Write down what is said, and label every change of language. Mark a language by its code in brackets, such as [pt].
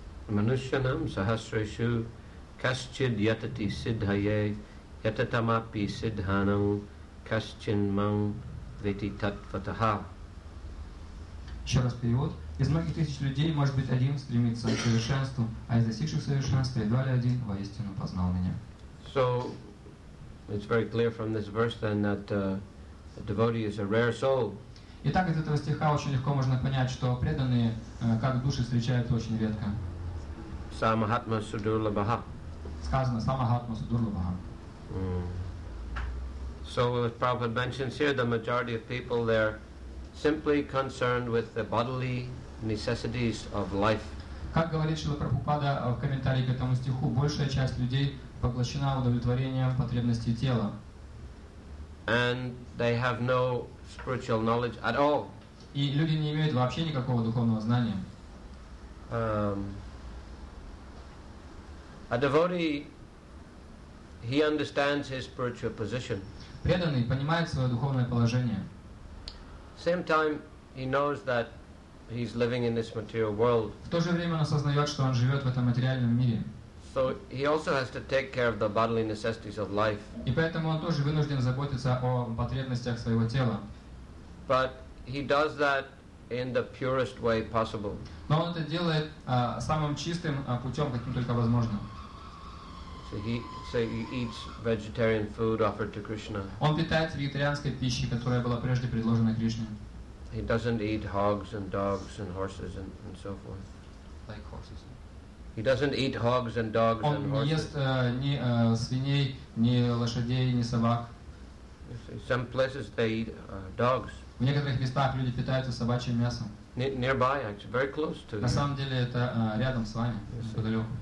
[sa] Манушьянам сахасрешу касчид ятати сиддхайе ятатамапи сиддханам касчин мам вети татватаха. [ru] Еще раз перевод. Из многих тысяч людей, может быть, один стремится к совершенству, а из достигших совершенства едва ли один воистину познал меня. [en] So, it's very clear from this verse then that a devotee is a rare soul. [ru] Итак, из этого стиха очень легко можно понять, что преданные, как души, встречаются очень редко. [sa] Самахатма судурлабаха. [ru] Сказано, [sa] самахатма судурлабаха. [en] So, as Prabhupada mentions here, the majority of people there simply concerned with the bodily necessities of life. [ru] Как говорит Шрила Прабхупада в комментарии к этому стиху, большая часть людей поглощена удовлетворением потребностей тела. [en] And they have no spiritual knowledge at all. [ru] И люди не имеют вообще никакого духовного знания. [en] A devotee, he understands his spiritual position. [ru] Преданный понимает свое духовное положение. [en] Same time, he knows that he's living in this material world. [ru] В то же время он осознает, что он живет в этом материальном мире. [en] So he also has to take care of the bodily necessities of life. [ru] И поэтому он тоже вынужден заботиться о потребностях своего тела. [en] But he does that in the purest way possible. [ru] Но он это делает самым чистым путем, каким только возможно. [en] So he eats vegetarian food offered to Krishna. [ru] Он питается вегетарианской пищей, которая была прежде предложена Кришне. [en] He doesn't eat hogs and dogs and horses and so forth. Like horses. He doesn't eat hogs and dogs [ru] он [en] and horses. [ru] Он не ест ни свиней, ни лошадей, ни собак. [en] Some places they eat dogs. [ru] В некоторых местах люди питаются собачьим мясом. [en] Nearby, actually, very close to. [ru] На самом деле это рядом с вами, подалеку.